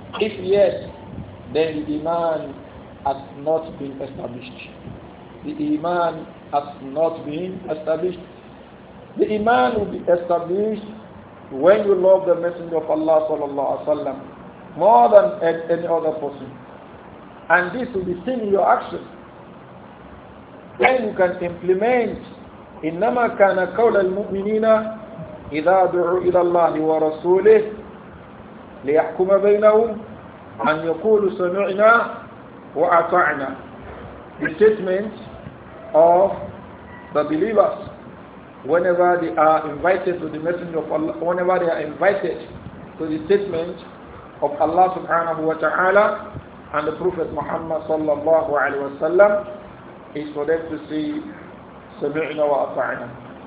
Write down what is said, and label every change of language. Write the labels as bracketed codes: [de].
[en] If yes, then the iman has not been established. The iman has not been established. The iman will be established when you love the Messenger of Allah sallallahu alaihi wasallam more than any other person. And this will be seen in your action. Then you can implement [ar] إِنَّمَا كَانَ قَوْلَ الْمُؤْمِنِينَ إِذَا دُعُوا إِلَى اللَّهِ وَرَسُولِهِ لِيَحْكُمَ بَيْنَهُمْ أَنْ يَقُولُوا سَمِعْنَا وَأَطَعْنَا. [en] The statement of the believers whenever they are invited to the Messenger of Allah, whenever they are invited to the statement of Allah subhanahu wa ta'ala and the Prophet Muhammad sallallahu alaihi wasallam, is for them to say [ar] سَمِعْنَا وَأَطَعْنَا.